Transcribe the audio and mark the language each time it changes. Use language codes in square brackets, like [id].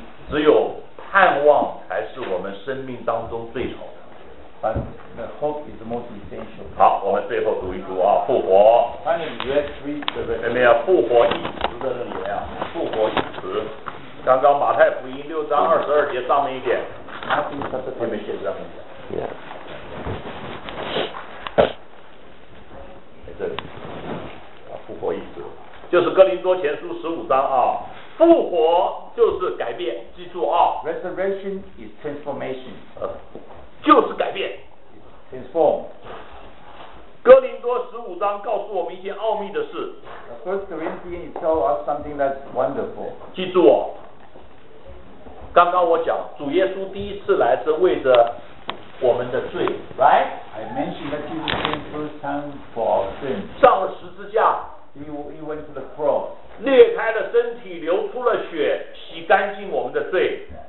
[zh] 只有盼望才是我们生命当中最好的。 [en] But the hope is the most essential. [zh] 好，我们最后读一读啊，复活。 [en] Finally, verse three, [zh] 对不对？前面啊，复活一词在这里啊，复活一词。刚刚马太福音6:22上面一点，前面写着。 [en] Yeah. [zh] 在这里，啊，复活一词，就是哥林多前书15:1啊。复活就是改变，记住啊。 [en] Resurrection is transformation. [zh] 就是改变。 [en] Transform. [zh] 哥林多15:1告诉我们一件奥秘的事。 [en] First Corinthians tells us something that's wonderful. [zh] 记住哦，刚刚我讲主耶稣第一次来是为着我们的罪 ， [en] right? I mentioned that Jesus came first time for our sins. [zh] 上了十字架。 [en] He went to the cross. [zh] 裂开了身体，流出了血，洗干净我们的罪。